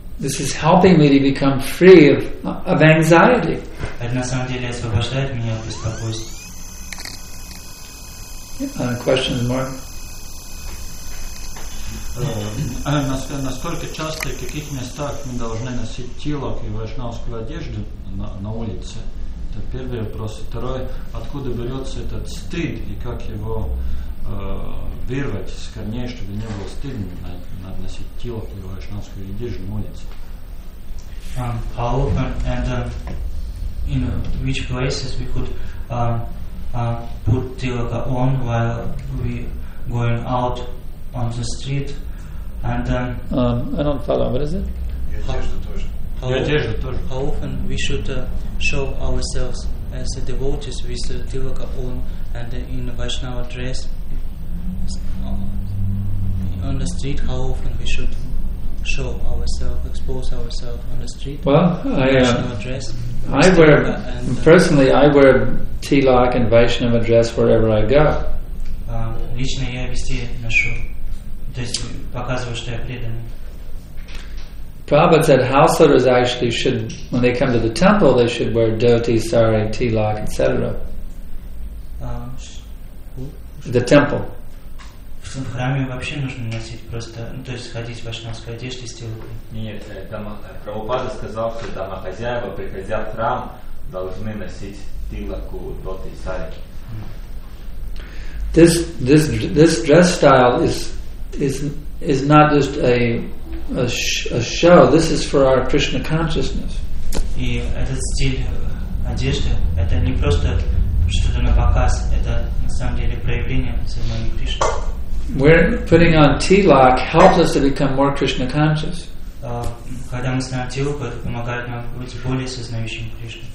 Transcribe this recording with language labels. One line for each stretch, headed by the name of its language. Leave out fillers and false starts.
English: This is helping me to become free of anxiety.
Russian: Это на самом деле освобождает меня от беспокойства.
English: Questions, Mark?
Russian: Насколько часто и в каких местах мы должны носить тилок и вайшнавскую одежду на улице? Это первый вопрос. Второй, откуда берется этот стыд и как его вырвать с корней, чтобы не было стыдно носить тилок и вайшнавскую одежду на улице?
English: How often and in which places we could put tilaka on while we going out on the street, and then I don't follow. What is it? How often we should show ourselves as devotees with tilaka on and in Vaishnava dress on the street? How often we should show ourselves, expose ourselves on the street? I wear tilak and Vaishnava dress wherever I go.
Russian: Лично я везде ношу, то есть показываю, что я преданный.
English: Prabhupada said householders actually should, when they come to the temple, they should wear dhoti, sari, tilak, etc. The temple.
Russian: В храме вообще нужно носить просто, то есть ходить в вайшнавской одежде с тилакой. Нет, Прабхупада сказал, что домохозяева, приходя в храм, должны носить тилаку, дхоти, сари.
English: This dress style is not just a show. This is for our Krishna consciousness.
Russian: И этот стиль одежды — это не просто что-то на показ, это на самом деле проявление самой Кришны.
English: We're putting on tilak helps us to become more Krishna conscious.
Russian: Когда мы снимаем тилаку, это помогает нам быть более сознающим Кришну.